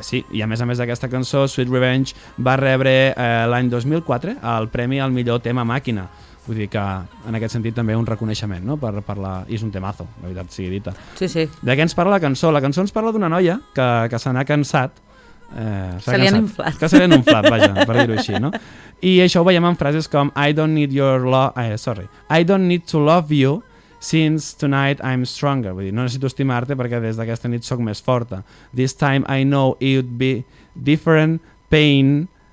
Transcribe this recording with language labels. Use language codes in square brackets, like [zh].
[ca] Sí, i a més d'aquesta cançó, Sweet Revenge, va rebre l'any 2004 el premi al millor tema màquina. Vull dir que en aquest sentit també un reconeixement, no? Per la... I és un temazo, la veritat sigui dita. Sí, sí. De què ens parla la cançó? La cançó ens parla d'una noia que se n'ha cansat. Se li han inflat, vaja, per dir-ho així, no? I això ho veiem en frases com [en] I don't need your love, sorry, I don't need to love you since tonight I'm stronger. [ca] Vull dir, no necessito estimar-te perquè des d'aquesta nit sóc més forta. [en] This time I know it'd be different pain.